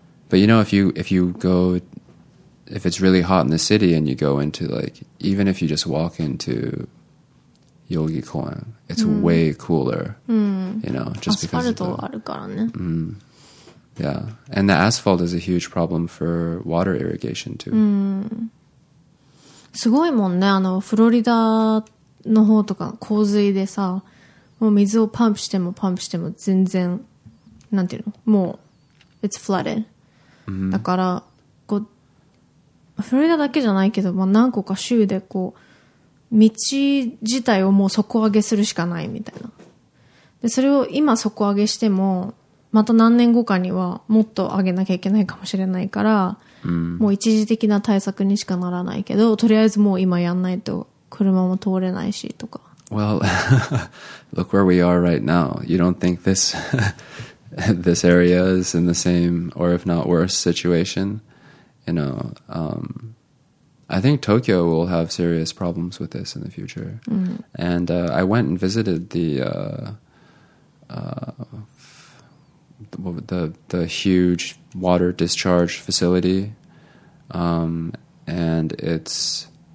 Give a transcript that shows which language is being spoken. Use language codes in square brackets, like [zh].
[en] But you know, if you go, if it's really hot in the city and you go into like, even if you just walk into Yogi Koen, it's way cooler, you know, just because of the, and the asphalt is a huge problem for water irrigation too. [ja] すごいもんね、あのフロリダの方とか洪水でさ、もう水をパンプしてもパンプしても全然、なんていうの、もう [en] it's flooded。 [ja] だからこうフロリダだけじゃないけど、まあ、何個か州でこう道自体をもう底上げするしかないみたいな。でそれを今底上げしてもまた何年後かにはもっと上げなきゃいけないかもしれないから、もう一時的な対策にしかならないけど、とりあえずもう今やんないと車も通れないしとか。 [en] Well, look where we are right now. You don't think this... this area is in the same or if not worse situation, you know. I think Tokyo will have serious problems with this in the future. Mm-hmm. And I went and visited the huge water discharge facility, and it's